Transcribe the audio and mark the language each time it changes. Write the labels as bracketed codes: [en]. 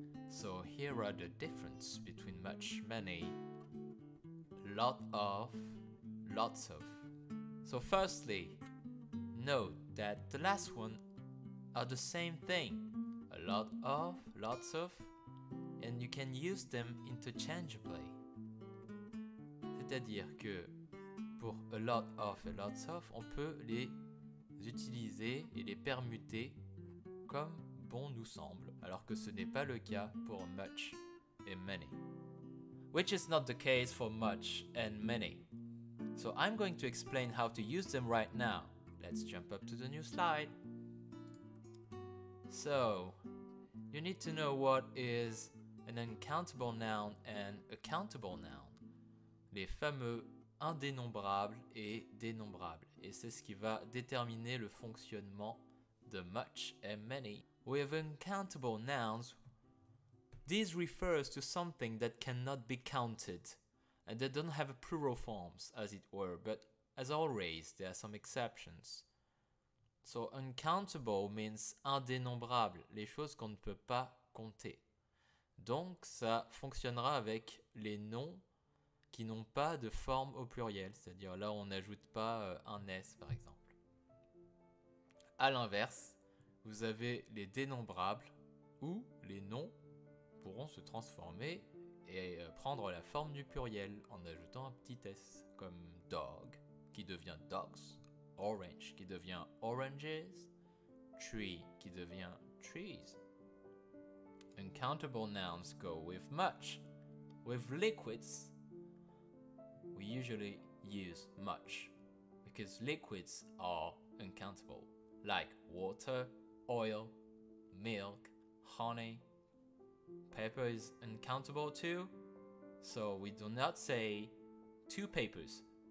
[en] So here are the differences between much, many, lot of, lots of. So firstly, note that the last one are the same thing. A lot of, lots of, and you can use them interchangeably. [fr] C'est-à-dire que pour a lot of et lots of, on peut les utiliser et les permuter comme bon nous semble, alors que ce n'est pas le cas pour much et many. [en] Which is not the case for much and many. So I'm going to explain how to use them right now. Let's jump up to the new slide. So, you need to know what is an uncountable noun and a countable noun. [fr] Les fameux indénombrables et dénombrables. Et c'est ce qui va déterminer le fonctionnement de much and many. [en] With uncountable nouns, this refers to something that cannot be counted. And they don't have plural forms, as it were. But as always, there are some exceptions. So uncountable means [fr] indénombrable, les choses qu'on ne peut pas compter. Donc ça fonctionnera avec les noms qui n'ont pas de forme au pluriel, c'est-à-dire là on n'ajoute pas un S par exemple. A l'inverse, vous avez les dénombrables où les noms pourront se transformer et prendre la forme du pluriel en ajoutant un petit S, comme dog qui devient dogs. Orange qui devient oranges, tree qui devient trees. [en] Uncountable nouns go with much. With liquids, we usually use much because liquids are uncountable, like water, oil, milk, honey. Paper is uncountable too, so we do not say two papers.